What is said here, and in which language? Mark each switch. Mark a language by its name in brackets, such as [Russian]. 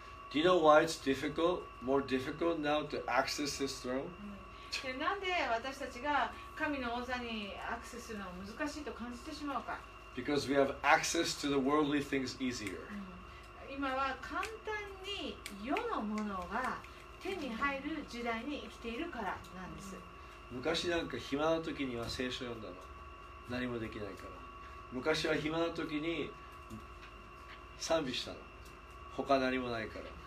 [English] Do you know why it's difficult, more difficult now to access His throne? [Japanese] なんで私たちが神の王座にアクセスするのが難しいと感じてしまうか？ [English] Because we have access to the worldly things easier. [Japanese] 今は簡単に世のものが手に入る時代に生きているからなんです。昔なんか暇な時には聖書読んだの。何もできないから。昔は暇な時に賛美したの。他何もないから。